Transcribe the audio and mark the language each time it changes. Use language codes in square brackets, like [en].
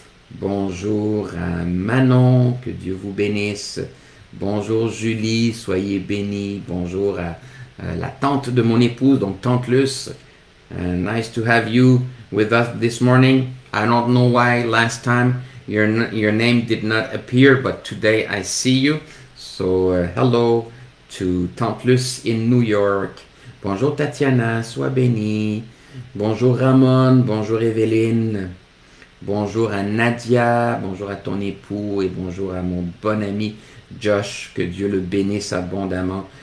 [fr] Bonjour à Manon, que Dieu vous bénisse. Bonjour Julie, soyez bénie. Bonjour à la tante de mon épouse, donc tante Luce. [en] Nice to have you with us this morning. I don't know why last time your name did not appear, but today I see you. So hello to tante Luce in New York. [fr] Bonjour Tatiana, sois bénie. Bonjour Ramon, bonjour Evelyne. Bonjour à Nadia, bonjour à ton époux et bonjour à mon bon ami Josh, que Dieu le bénisse abondamment.